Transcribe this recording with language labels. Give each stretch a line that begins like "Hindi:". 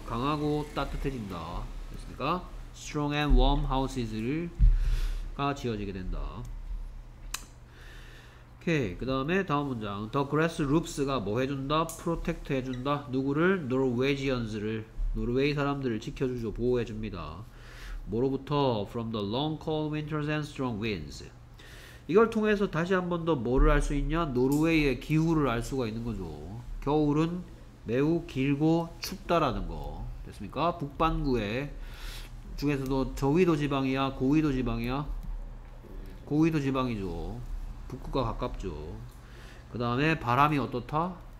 Korean: 강하고 따뜻해진다. 됐습니까?
English: Strong and warm houses
Korean: 가 지어지게 된다. 오케이. 그 다음에 다음 문장. The grass roofs가 뭐 해준다? Protect 해준다. 누구를? Norwegians를. 노르웨이 사람들을 지켜주죠. 보호해줍니다. 뭐로부터?
English: From the long cold winters and strong winds.
Korean: 이걸 통해서 다시 한 번 더 뭐를 알 수 있냐? 노르웨이의 기후를 알 수가 있는 거죠. 겨울은 매우 길고 춥다라는 거. 됐습니까? 북반구에 중에서도 저위도 지방이야? 고위도 지방이야? 고위도 지방이죠. 북극과 가깝죠. 그 다음에 바람이 어떻다?